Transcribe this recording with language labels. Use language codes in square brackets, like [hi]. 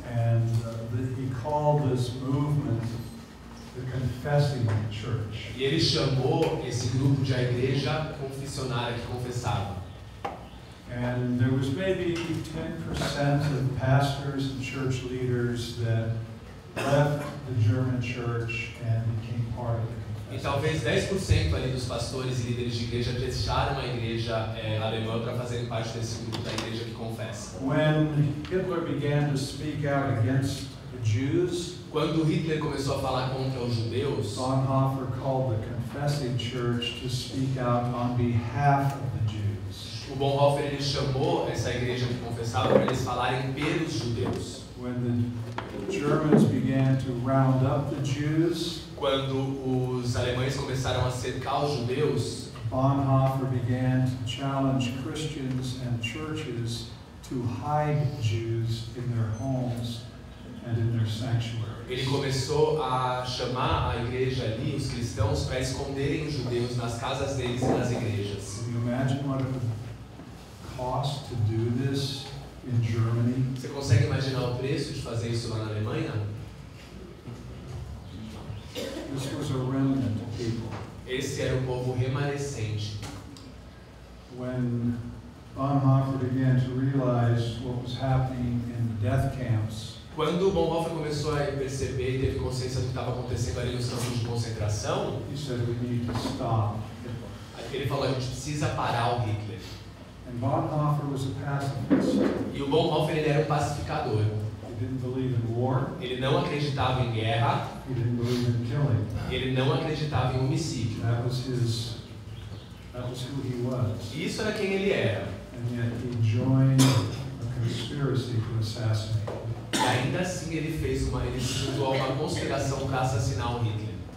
[en] And he called this movement the confessing church. [pt] E ele chamou esse grupo de igreja confessionária que confessava. [en] And there was maybe 10% of pastors and church leaders that left the German church and became part of the [pt] E talvez 10% ali dos pastores e líderes de igreja deixaram a igreja alemã para fazerem parte desse grupo da igreja que confessa. [en] When Hitler began to speak out against the Jews, [pt] quando Hitler começou a falar contra os judeus, [en] Bonhoeffer called the confessing church to speak out on behalf of the Jews. [pt] o Bonhoeffer ele chamou essa igreja que confessava para eles falarem pelos judeus. [en] When the Germans began to round up the Jews, [pt] quando os alemães começaram a cercar os judeus, [en] Bonhoeffer began to challenge Christians and churches to hide Jews in their homes and in their sanctuaries. [pt] Ele começou a chamar a igreja ali, os cristãos, para esconderem os judeus nas casas deles e nas igrejas. [en] Can you imagine what it cost to do this in Germany? [pt] Você consegue imaginar o preço de fazer isso lá na Alemanha? [en] This was a remnant of people. [pt] Esse era o povo remanescente. [en] When Bonhoeffer began to realize what was happening in the death camps, [pt] quando Bonhoeffer começou a perceber e teve consciência do que estava acontecendo ali nos campos de concentração, [en] he said, "We need to stop." [pt] Ele falou, a gente precisa parar o Hitler. [en] And Bonhoeffer was a pacifist. [pt] E o Bonhoeffer ele era um pacificador. [en] He didn't believe in war. [pt] Ele não acreditava em guerra. [en] He didn't believe in killing. [pt] Ele não acreditava em homicídio. [en] That was who he was. [pt] Isso era quem ele era. [en] And yet he joined a conspiracy to assassinate. [pt] E ainda assim ele fez uma, ele se juntou a uma conspiração para assassinar o Hitler.